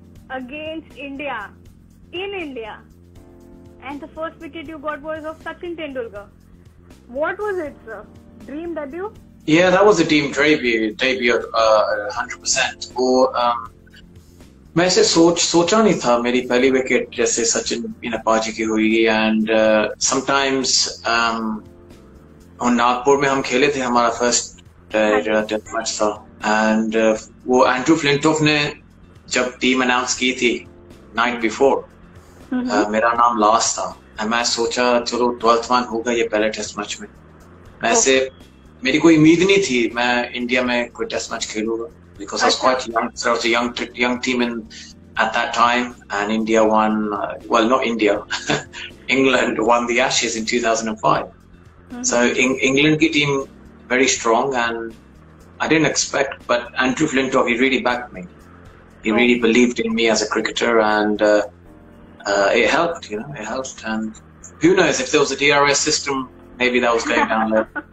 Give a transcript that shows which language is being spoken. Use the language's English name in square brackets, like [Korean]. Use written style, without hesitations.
[English] Against India, in India, and the first wicket you got was of Sachin Tendulkar. What was it, sir? Dream debut? Yeah, that was a team debut, 100%. [Hindi] Or मैं ऐसे सोचा नहीं था मेरी पहली wicket जैसे सचिन इन अपाजी की हुई एंड समटाइम्स नागपुर में हम खेले थे हमारा फर्स्ट टेस्ट मैच था एंड वो एंड्रू फ्लिंटोफ ने जब टीम अनाउंस की थी नाइट बिफोर मेरा नाम लास्ट था एंड मैं सोचा चलो 12th man होगा ये पहले टेस्ट मैच में वैसे मेरी कोई उम्मीद नहीं थी मैं इंडिया में कोई टेस्ट मैच खेलूंगा [English] because I was quite young, so I was a young team in at that time and India won, well not India, England won the Ashes in 2005. So England ki team very strong and I didn't expect, but Andrew Flintoff, he really backed me. He really believed in me as a cricketer and it helped, you know, it helped. And who knows, if there was a DRS system, maybe that was going down there.